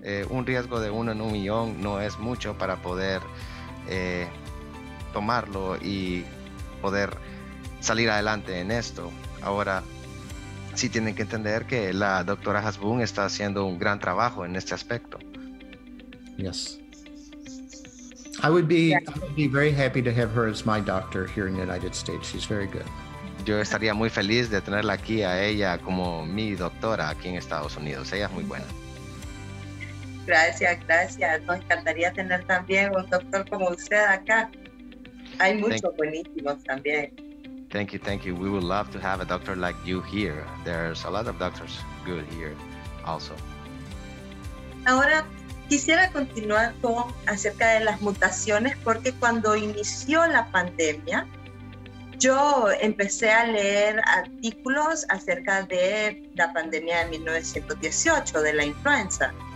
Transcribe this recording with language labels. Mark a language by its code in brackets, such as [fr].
[es] Un riesgo de 1 [en] in a million [es] no es mucho para poder tomarlo y poder salir adelante en esto. Ahora, sí tienen que entender que la doctora Hesban está haciendo un gran trabajo en este aspecto. [en] Yes. I would be very happy to have her as my doctor here in the United States. She's very good. [es] Yo estaría muy feliz de tenerla aquí a ella como mi doctora aquí en Estados Unidos. Ella es muy buena. Gracias, gracias. Nos encantaría tener también un doctor como usted acá. Hay muchos buenísimos también. [en] Thank you, thank you. We would love to have a doctor like you here. There's a lot of doctors good here also. [es] Ahora quisiera continuar con acerca de las mutaciones, porque cuando inició la pandemia, yo empecé a leer artículos acerca de la pandemia de 1918, de la influenza.